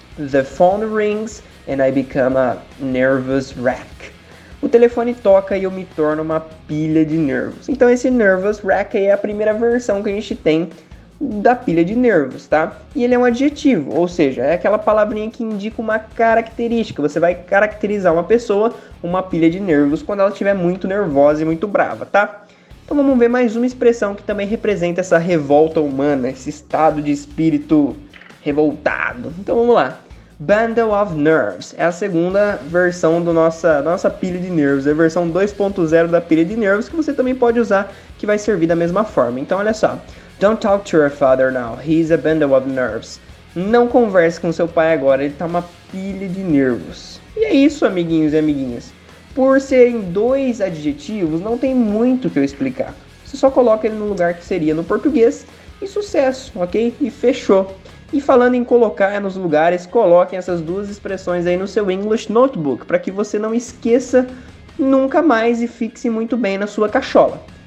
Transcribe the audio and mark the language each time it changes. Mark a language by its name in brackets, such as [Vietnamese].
[English] The phone rings and I become a nervous wreck. [Portuguese] O telefone toca e eu me torno uma pilha de nervos. Então esse nervous wreck aí é a primeira versão que a gente tem da pilha de nervos, tá? E ele é um adjetivo, ou seja, é aquela palavrinha que indica uma característica. Você vai caracterizar uma pessoa, uma pilha de nervos, quando ela estiver muito nervosa e muito brava, tá? Então vamos ver mais uma expressão que também representa essa revolta humana, esse estado de espírito revoltado. Então vamos lá. Bundle of Nerves, é a segunda versão do nossa pilha de nervos, é a versão 2.0 da pilha de nervos que você também pode usar, que vai servir da mesma forma. Então olha só, [English] don't talk to your father now, he's a bundle of nerves. [Portuguese] Não converse com seu pai agora, ele tá uma pilha de nervos. E é isso, amiguinhos e amiguinhas. Por serem dois adjetivos, não tem muito o que eu explicar. Você só coloca ele no lugar que seria no português e sucesso, ok? E fechou. E falando em colocar nos lugares, coloquem essas duas expressões aí no seu English Notebook, para que você não esqueça nunca mais e fixe muito bem na sua cachola.